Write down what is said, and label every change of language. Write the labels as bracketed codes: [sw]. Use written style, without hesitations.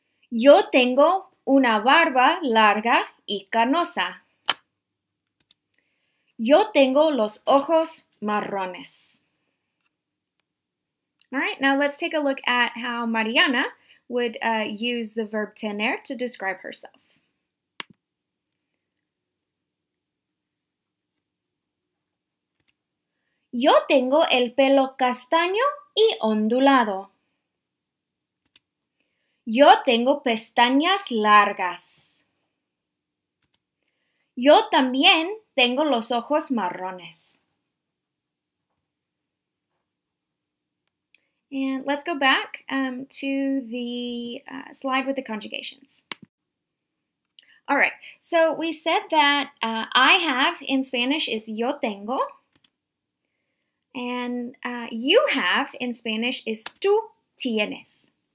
[es] Yo tengo una barba larga y canosa. Yo tengo los ojos marrones. [en] All right, now let's take a look at how Mariana would use the verb tener to describe herself. [es] Yo tengo el pelo castaño y ondulado. Yo tengo pestañas largas. Yo también tengo los ojos marrones. [en] And let's go back to the slide with the conjugations. All right, so we said that I have in Spanish is [es] yo tengo. [en] And you have in Spanish is [es] tú tienes.